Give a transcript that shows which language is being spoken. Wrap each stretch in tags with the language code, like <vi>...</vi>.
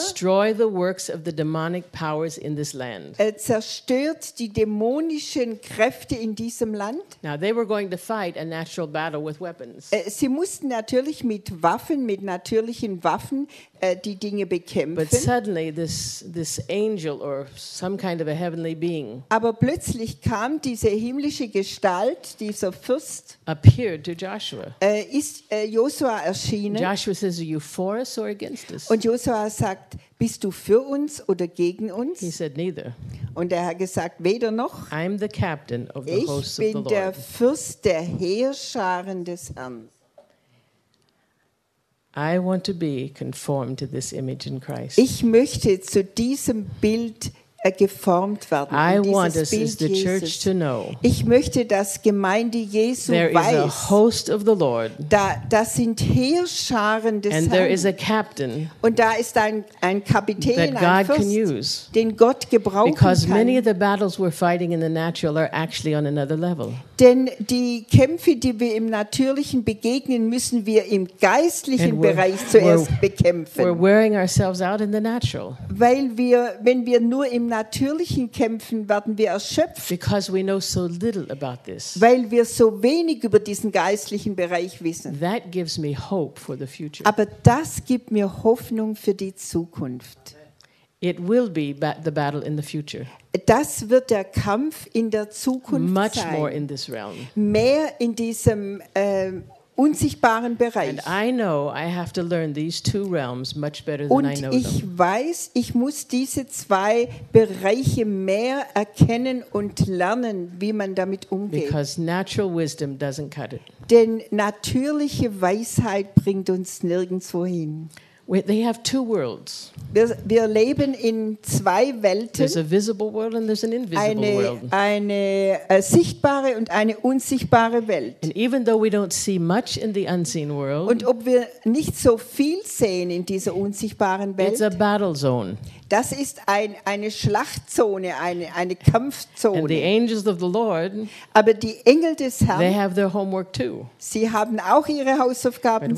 <en>Destroy the works of the demonic powers in this land.</en> <de>Zerstört die dämonischen Kräfte in diesem Land.</de> <en>Now they were going to fight a natural battle with weapons.</en> <de>Sie mussten natürlich mit natürlichen Waffen die Dinge bekämpfen.</de> <en>But suddenly this angel or some kind of a heavenly being.</en> <de>Aber plötzlich kam diese himmlische Gestalt, dieser Fürst.</de> <en>Appeared to Joshua.</en> <de>Ist Joshua erschienen?</de> <en>Joshua says, "Are you for us or against us?"</en> <de>Und Joshua sagt, bist du für uns oder gegen uns?</de> <en>He said, neither.</en> <de>Und hat gesagt, weder noch.</de> <en>I'm the captain of the hosts of the Lord.</en> <de>Ich bin der Fürst der Heerscharen des Herrn.</de> <en>I want to be conformed to this image in Christ.</en> <de>Ich möchte zu diesem Bild geformt werden.</de> <en>I want us as the church to know.</en> <de>Ich möchte, dass Gemeinde Jesu</de> <en>there</en> <de>weiß.</de> <en>There is a host of the Lord.</en> <de>Das sind Heerscharen des</de> <en>and</en> <de>Herrn.</de> <en>And there is a captain.</en> <de>Und da ist ein Kapitän,</de> <en>that God</en> <de>ein Fürst,</de> <en>can use.</en> <de>Den Gott gebrauchen</de> <en>because</en> <de>kann.</de> <en>Because many of the battles we're fighting in the natural are actually on another level.</en> <de>Denn die Kämpfe, die wir im Natürlichen begegnen, müssen wir im geistlichen Bereich zuerst bekämpfen.</de> <en>We're wearing ourselves out in the natural.</en> <de>Weil wenn wir nur im natürlichen Kämpfen werden wir erschöpft.</de> <en>Because we know so little about this.</en> <de>Weil wir so wenig über diesen geistlichen Bereich wissen.</de> <en>That gives me hope for the future.</en> <de>Aber das gibt mir Hoffnung für die Zukunft.</de> <en>It will be the battle in the future.</en> <de>Das wird der Kampf in der Zukunft sein.</de> <en>Much more in this realm.</en> <de>Mehr in diesem unsichtbaren Bereich.</de> <en>And I know I have to learn these two realms much better than</en> <de>Und</de> <en>I know</en> <de>ich</de> <en>them.</en> <de>Weiß, ich muss diese zwei Bereiche mehr erkennen und lernen, wie man damit umgeht.</de> <en>Because natural wisdom doesn't cut it.</en> <de>Denn natürliche Weisheit bringt uns nirgendwo hin.</de> <en>They have two worlds.</en> <de>Wir leben in zwei Welten.</de> <en>There's a visible world and there's an invisible world.</en> <de>Eine sichtbare und eine unsichtbare Welt.</de> <en>And even though we don't see much in the unseen world,</en> <de>und ob wir nicht so viel sehen in dieser unsichtbaren Welt,</de> <en>it's a battle zone.</en> <de>Das ist eine Schlachtzone, eine Kampfzone.</de> <en>And the angels of the Lord,</en> <de>aber die Engel des Herrn,</de> <en>they have their homework too.</en> <de>Sie haben auch ihre Hausaufgaben</de>